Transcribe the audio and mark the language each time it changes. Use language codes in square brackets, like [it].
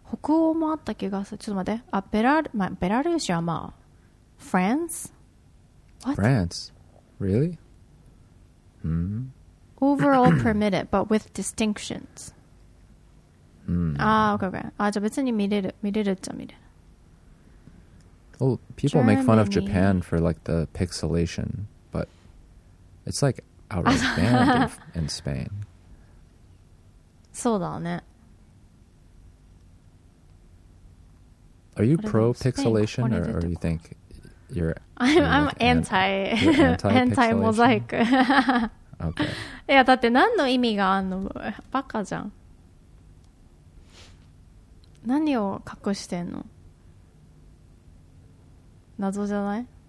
[ja] 北欧もあった気がする。ちょっと待って。あ、ベラルーシはまあ、フランス [en] What? France? Really? Overall permitted, but with distinctions. Okay. [ja] あ、じゃあ別に見れるっちゃ見れる。 [en] Well, people make fun of Japan for like the pixelation, but it's like outright banned in Spain. [ja] そうだね。 [en] Are you pro pixelation, or do you think you're? I'm like anti anti mosaic. Okay. [ja] いやだって何の意味があんの、バカじゃん。何を隠してんの、謎じゃない。